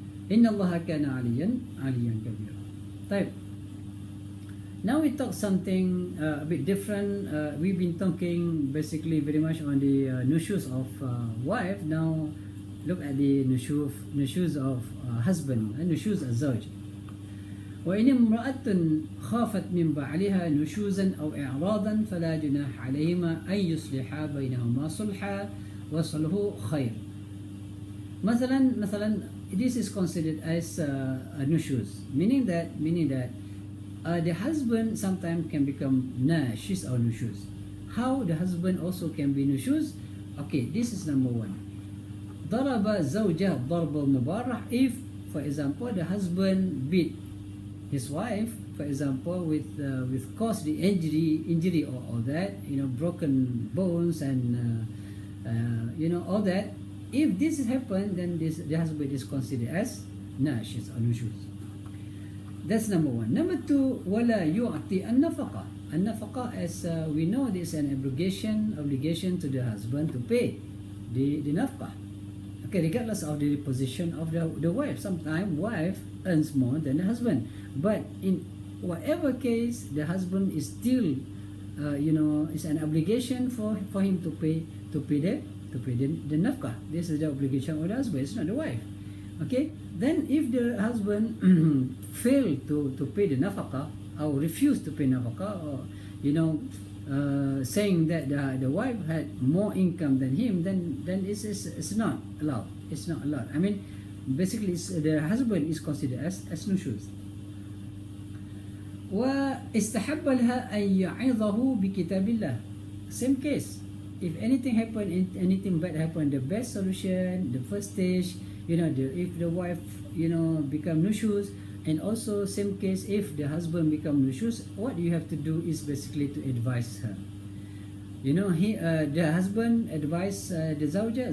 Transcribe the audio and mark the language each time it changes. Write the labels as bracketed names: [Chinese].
[Arabic] Inna Allah kana aliyan, aliyan kabira. Taib. [English] Now we talk something a bit different. We've been talking basically very much on the nushus of wife. Now look at the nushus of husband, nushus of zawj. [Arabic] وإن امرأة خافت من بعلها نشوزا أو إعراضا فلا جناح عليهما أن يصلحا بينهما صلحا وصله خير. [English] مثلا this is considered as a nushuz, meaning that the husband sometimes can become nashis or nushuz. How the husband also can be nushuz? Okay, this is number one. [Arabic] ضرب زوجه ضرب مبارح. [English] If, for example, the husband beat his wife, for example, with caused the injury or all that, you know, broken bones and you know, all that. If this happened, then the husband is considered as nashis or nushuz. That's number one. Number two, [Arabic] ولا يعطي النفقة. [English] النفقة, as we know, this is an obligation to the husband to pay the nafqa. Okay, regardless of the position of the wife, sometimes wife earns more than the husband. But in whatever case, the husband is still, you know, it's an obligation for him to pay the nafkah. This is the obligation of the husband, it's not the wife. Okay, then if the husband failed to pay the nafkah, or refused to pay nafkah, or, you know, saying that the wife had more income than him, then it's not allowed. It's not allowed. I mean, basically, the husband is considered as nushuz. [Arabic] واستحب لها أن يعظه بكتاب الله. [English] Same case. If anything happened, anything bad happened, the best solution, the first stage, you know, if the wife, you know, become nushuz, and also same case, if the husband become nushuz, what you have to do is basically to advise her. You know, the husband advise the zawja.